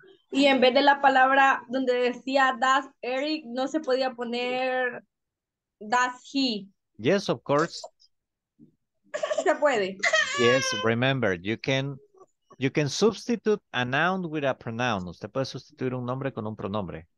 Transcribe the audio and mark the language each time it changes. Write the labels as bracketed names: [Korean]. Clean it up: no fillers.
[Spanish] Y en vez de la palabra donde decía does Eric, no se podía poner [English] does he. Yes, of course. [Spanish] Se puede. [English] Yes, remember, you can substitute a noun with a pronoun. [Spanish] Usted puede sustituir un nombre con un pronombre.